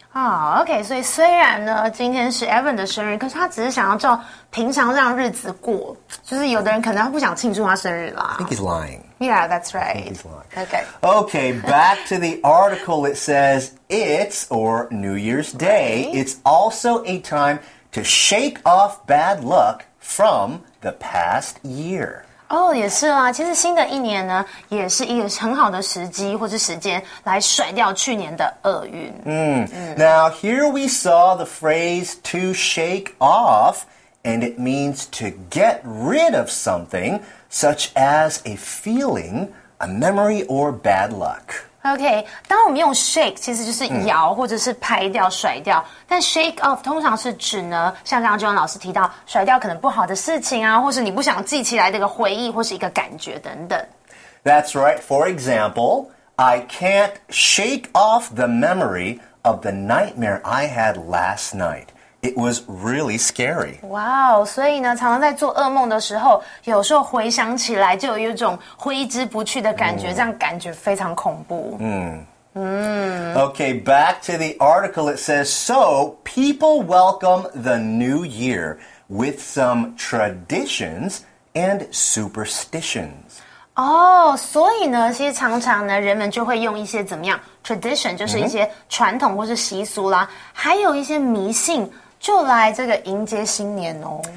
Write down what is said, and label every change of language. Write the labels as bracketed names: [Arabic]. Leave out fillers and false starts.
[Chinese] Okay, so 虽然呢今天是 Evan 的生日，可是他只是想要照平常这样日子过，就是有的人可能不想庆祝他生日啦。 [English] I think he's lying. Yeah, that's right. I think he's lying. Okay, back to the article. It says, it's, or New Year's Day, it's also a time to shake off bad luck from the past year. [Chinese] 也是啦，其实新的一年呢也是一个很好的时机或是时间来甩掉去年的厄运。 [English] Now here we saw the phrase to shake off, and it means to get rid of something, such as a feeling, a memory, or bad luck. [Chinese] Okay, 当我们用 shake, 其实就是摇或者是拍掉甩掉。但 shake off 通常是指呢，像刚刚中文老师提到，甩掉可能不好的事情啊，或是你不想记起来的一个回忆或是一个感觉等等。 [English] That's right. For example, I can't shake off the memory of the nightmare I had last night. It was really scary. [Chinese] Wow, 所以呢，常常在做噩梦的时候，有时候回想起来就有一种挥之不去的感觉，这样感觉非常恐怖。 [English] Okay, back to the article. It says, so people welcome the new year with some traditions and superstitions. [Chinese] So, 其实常常呢人们就会用一些怎么样 tradition, 就是一些传统或是习俗啦，还有一些迷信就来这个迎接新年哦。